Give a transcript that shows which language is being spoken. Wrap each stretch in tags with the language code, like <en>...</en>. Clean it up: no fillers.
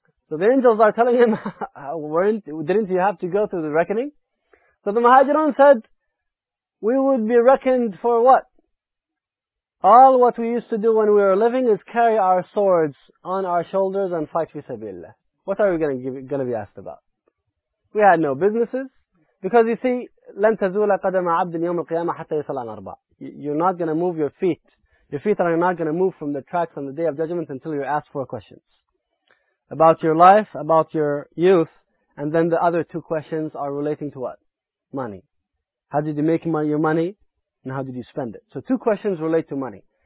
<en>So the angels are telling him, didn't you have to go through the reckoning? So the muhajirun said, we would be reckoned for what? All what we used to do when we were living is carry our swords on our shoulders and fight fi sabilillah. What are we going to be asked about? We had no businesses. Because you see,</en> <ar>لَن تَزُولَ قَدَمَ عَبْدٍ يَوْمُ الْقِيَامَةِ حَتَّى يَسَلْ عَنْ أَرْبَعٍ.</ar> <en>You're not going to move your feet. Your feet are not going to move from the tracks on the Day of Judgment until you're asked four questions. About your life, about your youth, and then the other two questions are relating to what? Money. How did you make your money? And how did you spend it? So two questions relate to money.</en>